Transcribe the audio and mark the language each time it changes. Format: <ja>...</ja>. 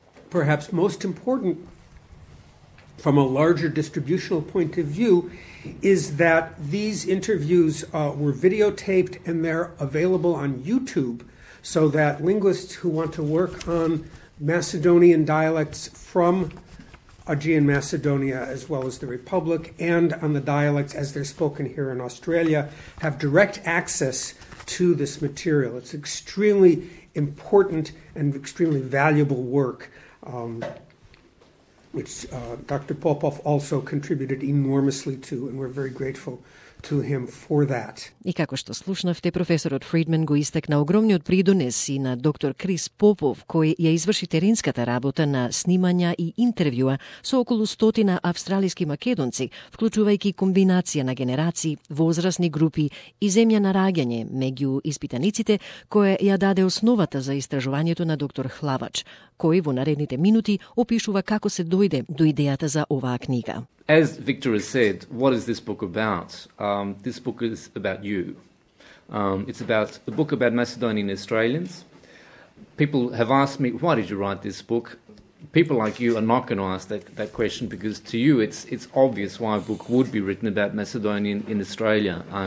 <en>Perhaps most important from a larger distributional point of view is that these interviews were videotaped and they're available on YouTube so that linguists who want to work on Macedonian dialects from Aegean Macedonia as well as the Republic and on the dialects as they're spoken here in Australia have direct access to this material. It's extremely important and extremely valuable work, which Dr. Popov also contributed enormously to, and we're very grateful to him for that.</en> <mk>И како што слушнавте, професорот Фридман го истакна огромниот придонес и на доктор Крис Попов, кој ја изврши теренската работа на снимања и интервјуа со околу 100 австралиски македонци, вклучувајќи комбинација на генерации, возрасни групи и земја на раѓање меѓу испитаниците, која ја даде основата за истражувањето на доктор Хлавач, кој во наредните минути опишува како се дојде до идејата за оваа книга.</mk> <en>As Victor has said, what is this book about? This book is about you. It's about a book about Macedonian Australians. People have asked me, why did you write this book? People like you are not going to ask that question because to you it's obvious why a book would be written about Macedonian in Australia.</en>